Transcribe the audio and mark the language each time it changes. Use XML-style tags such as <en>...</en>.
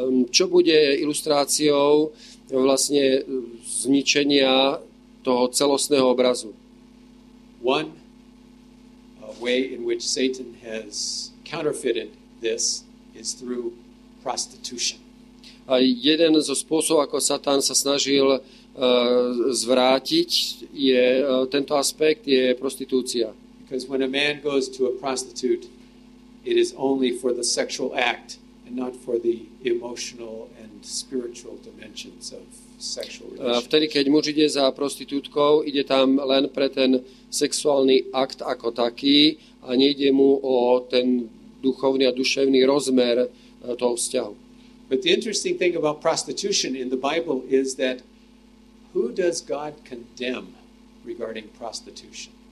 <sk>Čo bude ilustráciou vlastne zničenia toho celostného obrazu?</sk> <en>One way in which Satan has counterfeited this is through prostitution.</en> <sk>Jeden zo spôsobov, ako Satan sa snažil zvrátiť, je tento aspekt, je prostitúcia.</sk> <en>Because when a man goes to a prostitute, it is only for the sexual act and not for the emotional and spiritual dimensions of sexual relations.</en> <sk>Vtedy, keď muž ide za prostitútkou, ide tam len pre ten sexuálny akt ako taký a nejde mu o ten duchovný a duševný rozmer toho vzťahu.</sk> <en>But the interesting thing about prostitution in the Bible is that who does God condemn regarding prostitution?</en>